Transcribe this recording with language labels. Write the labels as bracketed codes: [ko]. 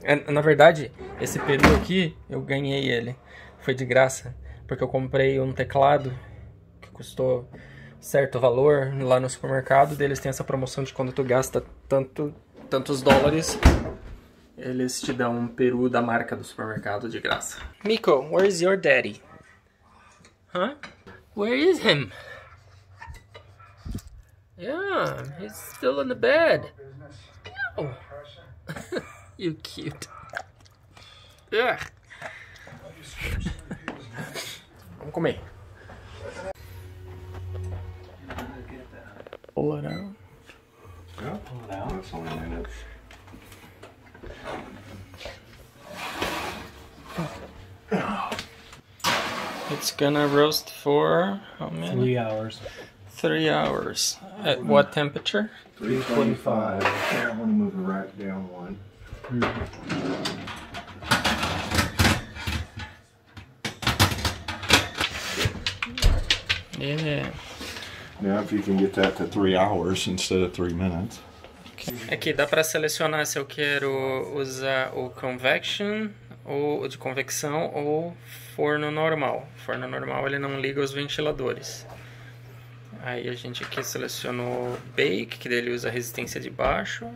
[pt] Na verdade, esse peru aqui, eu ganhei ele. Foi de graça, porque eu comprei um teclado que custou certo valor lá no supermercado. Eles têm essa promoção de quando tu gasta tantos dólares, eles te dão um peru da marca do supermercado de graça. [en] Miko, where is your daddy? Huh? Where is him? Yeah, he's still in the bed. No. You cute. Yeah. [pt] Vamos comer. [en] Pull it out. Yeah, pull it out. It's only minutes. It's gonna roast for how many? 3 hours. 3 hours. At what temperature? 325. Okay, I'm gonna move it right down one. Yeah. Now if you can get that to 3 hours instead of 3 minutes. [pt] Aqui dá para selecionar se eu quero usar o convection ou de convecção ou forno normal. Forno normal ele não liga os ventiladores. Aí a gente aqui selecionou bake, que dele usa resistência de baixo.